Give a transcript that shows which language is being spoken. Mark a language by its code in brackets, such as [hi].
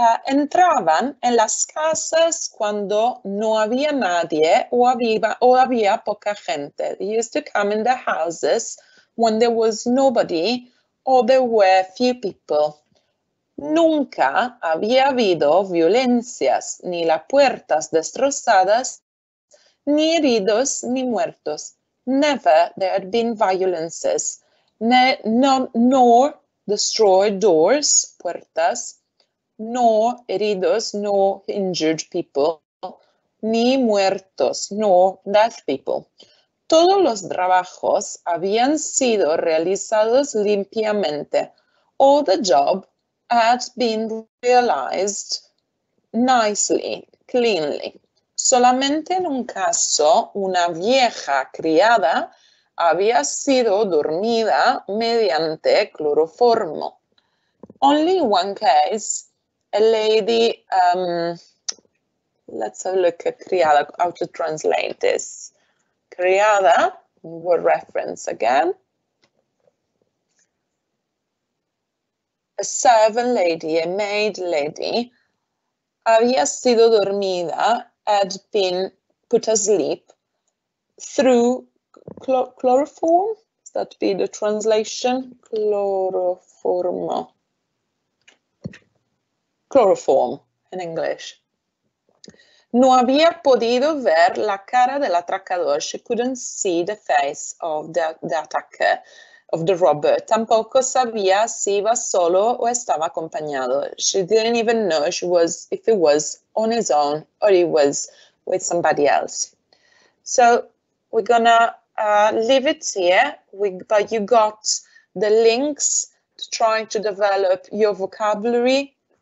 [es] Entraban en las casas cuando no había nadie o había poca gente. [en] They used to come in the houses when there was nobody or there were few people. [es] Nunca había habido violencias, ni las puertas destrozadas, ni heridos, ni muertos. [en] Never there had been violences, nor destroyed doors, puertas, nor heridos, nor injured people, [es] ni muertos, [en] nor dead people. [es] Todos los trabajos habían sido realizados limpiamente. [en] All the job had been realized nicely, cleanly. [es] Solamente en un caso, una vieja criada había sido dormida mediante cloroformo. [en] Only in one case, a lady, let's have a look at criada, how to translate this. Criada, word reference again. A servant lady, a maid lady, [es] había sido dormida, [en] had been put asleep through chloroform. Is that be the translation? Chloroform in English. [es] No había podido ver la cara del atracador. [en] She couldn't see the face of the attacker, of the robber. [es] Tampoco sabía si iba solo o estaba acompañado. [en] She didn't even know if it was on his own or he was with somebody else. So we're gonna leave it here. But you got the links to try to develop your vocabulary.